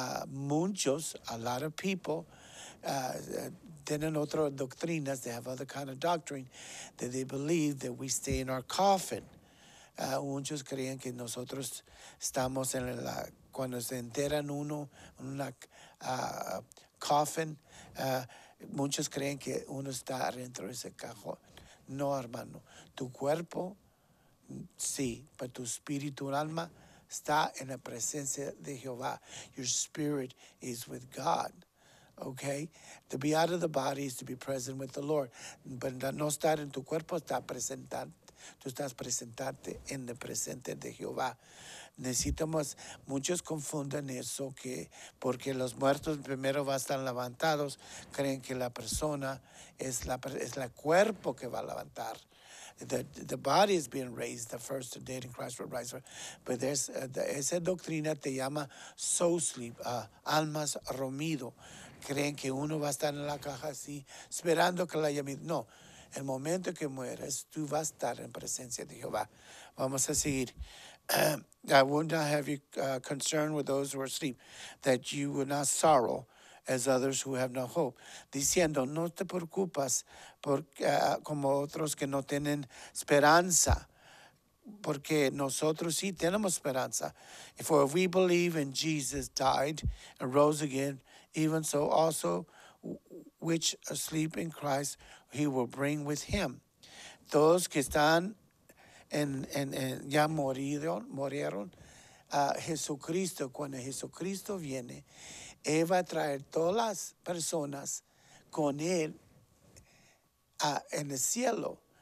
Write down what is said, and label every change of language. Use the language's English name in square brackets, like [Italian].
[Spanish] Muchos, [English] a lot of people, [Spanish] tienen otras doctrinas, [English] they have other kind of doctrine, that they believe that we stay in our coffin. [Spanish] Muchos creen que nosotros estamos en la, cuando se enteran uno, en una coffin, muchos creen que uno está dentro de ese cajón. No, hermano, tu cuerpo, sí, pero tu espíritu, el alma, está en la presencia de Jehová. [English] Your spirit is with God, okay? To be out of the body is to be present with the Lord. [Spanish] But no estar en tu cuerpo, está presentarte. Tú estás presentarte en el presente de Jehová. Necesitamos, muchos confunden eso, que porque los muertos primero van a estar levantados, creen que la persona es la cuerpo que va a levantar. [English] The body is being raised, the first to dead in Christ will rise. But there's [Spanish] esa doctrina te llama soul sleep, almas dormido. Creen que uno va a estar en la caja así, esperando que la llame. No, el momento que mueres, tú vas a estar en presencia de Jehová. Vamos a seguir. [English] I would not have you concerned with those who are asleep, that you would not sorrow as others who have no hope. [Spanish] Diciendo, no te preocupas como otros que no tienen esperanza, porque nosotros sí tenemos esperanza. [English] For if we believe in Jesus died and rose again, even so also which asleep in Christ he will bring with him. [Spanish] Todos que están en ya murieron, Jesucristo, cuando Jesucristo viene, Él va a traer todas las personas con Él en el cielo.